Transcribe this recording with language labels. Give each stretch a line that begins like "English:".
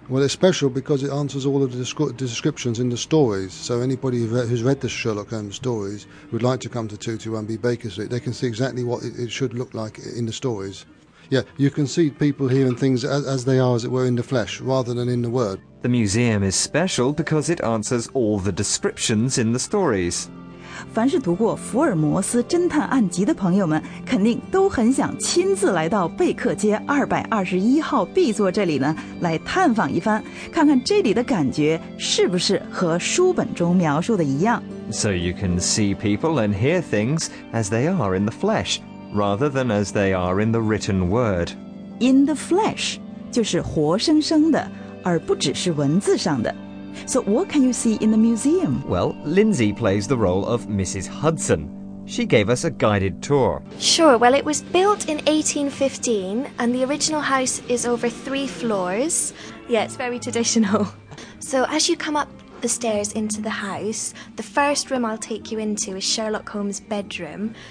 English: Well, it's special because it answers all of the descriptions in the stories, so anybody who's read the Sherlock Holmes stories would like to come to 221B Baker Street. They can see exactly what it should look like in the stories. Yeah, you can see people here and things as they are, as it were, in the flesh, rather than in the word. The museum is special because it answers all the descriptions in the stories.
Chinese: 凡是读过福尔摩斯侦探案集的朋友们肯定都很想亲自来到贝克街221号 B 座这里呢，来探访一番，看看这里的感觉是不是和书本中描述的一样。
English: So you can see people and hear things as they are in the flesh rather than as they are in the written word. In the flesh
Chinese: 就是活生生的，而不只是文字上的。
English: So what can you see in the museum? Well, Lindsay plays the role of Mrs. Hudson. She gave us a guided tour. Sure, well, it was built in 1815, and the original house is over 3 floors. Yeah, it's very traditional. So as you come up the stairs into the house, the first room I'll take you into is Sherlock Holmes' bedroom.